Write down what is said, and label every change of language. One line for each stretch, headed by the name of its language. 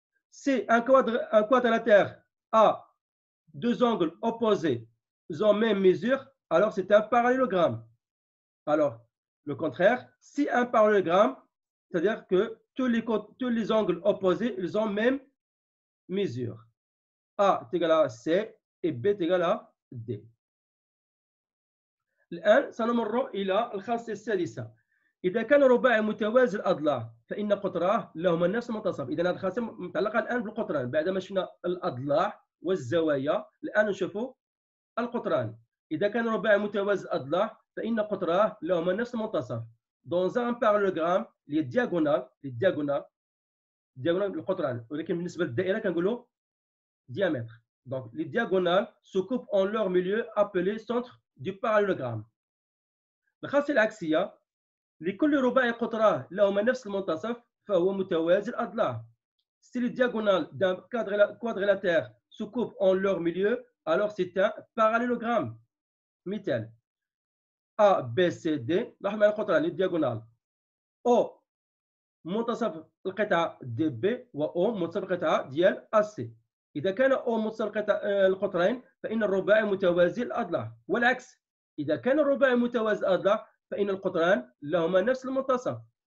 French: C'est un quadrilatère à deux angles opposés en même mesure, alors c'est un parallélogramme. Alors, le contraire, si un parallélogramme, c'est-à-dire que tous les angles opposés, ils ont même mesure. A est égal à C et B est égal à D.
Arabic: الآن سنمر إلى الخاصية السادسة. إذا كان رباعي متوازي الأضلاع فإن قطراه لهما نفس المنتصف. إذا هذه الخاصية متعلقة الآن بالقطران. بعدما شفنا الأضلاع والزوايا الآن نشوفوا القطران. إذا كان رباعي متوازي الأضلاع فإن قطراه لهما نفس المنتصف.
French: Dans un parallélogramme, les diagonales,
Arabic: القطران ولكن بالنسبة للدائرة كنقولوا
French: diamètre. Donc les diagonales se coupent en leur milieu appelé centre du parallélogramme.
Arabic: الخاصية العكسية لكل رباعي قطراه لهما نفس المنتصف فهو متوازي الأضلاع.
French: Si les diagonales d'un quadrilatère se coupent en leur milieu, alors c'est un parallélogramme.
Arabic: مثال A, B, C, D. لاحظ معي القطران لي ديغونال. O منتصف القطعة DB و O منتصف القطعة ديال AC. إذا كان O متصل القطرين فإن الرباعي متوازي الأضلاع، والعكس إذا كان الرباعي متوازي الأضلاع فإن القطران لهما نفس المنتصف.